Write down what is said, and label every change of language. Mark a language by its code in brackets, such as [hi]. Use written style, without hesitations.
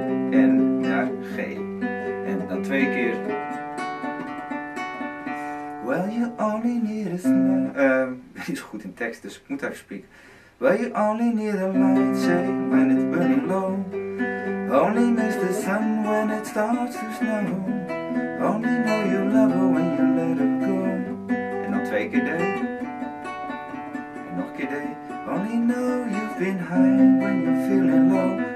[nl] En naar G. En dan twee keer. [en] Well, you only need a smile. [nl] Ik ben niet zo goed in tekst, dus ik moet even spreken. [en] Well, you only need a light, say, when it's burning low. Only miss the sun when it starts to snow. Only know you love her when you let her go. [nl] En dan twee keer day. [en] En nog een keer day. Only know you've been high when you're feeling low.